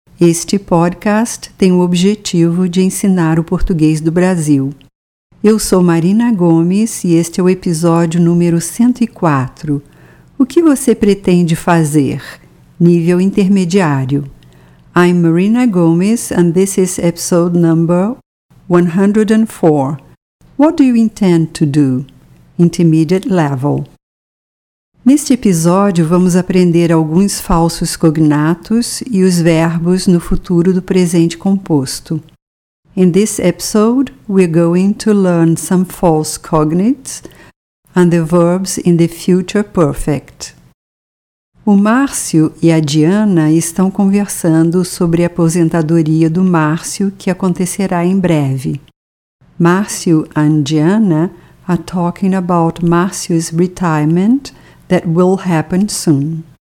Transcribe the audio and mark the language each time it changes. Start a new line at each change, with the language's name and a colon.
Portuguese: Este podcast tem o objetivo de ensinar o português do Brasil. Eu sou Marina Gomes e este é o episódio número 104. O que você pretende fazer? Nível intermediário.
English: I'm Marina Gomes and this is episode number 104. What do you intend to do? Intermediate level.
Portuguese: Neste episódio, vamos aprender alguns falsos cognatos e os verbos no futuro do presente composto.
English: In this episode, we're going to learn some false cognates and the verbs in the future perfect.
Portuguese: O Márcio e a Diana estão conversando sobre a aposentadoria do Márcio, que acontecerá em breve.
English: Márcio and Diana are talking about Márcio's retirement that will happen soon.